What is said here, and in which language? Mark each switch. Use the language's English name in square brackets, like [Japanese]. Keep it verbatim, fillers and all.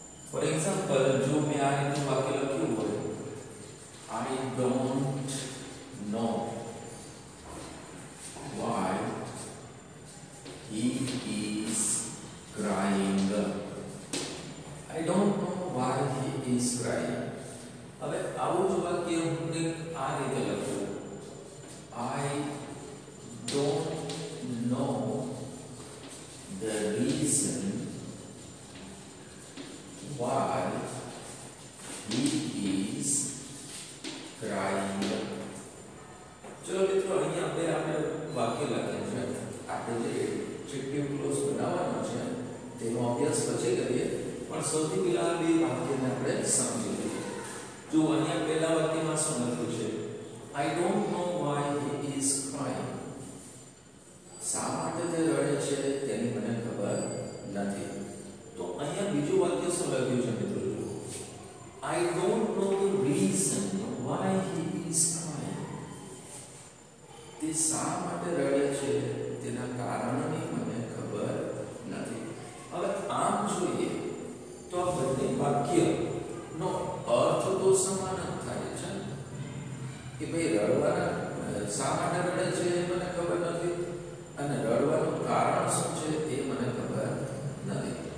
[English] for example, [Gujarati] જો મેં આ રીતનું વાક્ય લખ્યું હોય, [English] I don't know why he is crying. I don't know why he is crying. [Gujarati] હવે આવું જ વાક્ય હું આ રીતે લખું, [English] I don't know the reason why he is crying. [Hindi] चलो मित्रों, [Gujarati] અહીંયા આપણે આપણે વાક્ય લખ્યું છે. આપણે જે એડજેક્ટિવ ક્લોઝ બનાવવાનો છે તેનો અભ્યાસ પછી કરીએ, પણ સૌથી પહેલા બે વાક્યને આપણે સમજી લઈએ. જો અહીંયા પહેલા વાક્યમાં શું લખ્યું છે? [English] I don't know why he is crying. [Gujarati] શા માટે તે રડે છે તેની મને ખબર નથી. તો અહીંયા બીજું વાક્ય શું લખ્યું છે મિત્રો? [English] I don't know the reason why he is crying. [Gujarati] તે શા માટે રડે છે તેના કારણની મને ખબર નથી. હવે આમ જોઈએ તો આ બંને વાક્યનો અર્થ તો સમાન જ થાય છે કે ભાઈ રડવાના શા માટે રડે છે એ મને ખબર નથી અને રડવાનું કારણ શું છે એ મને ખબર નથી.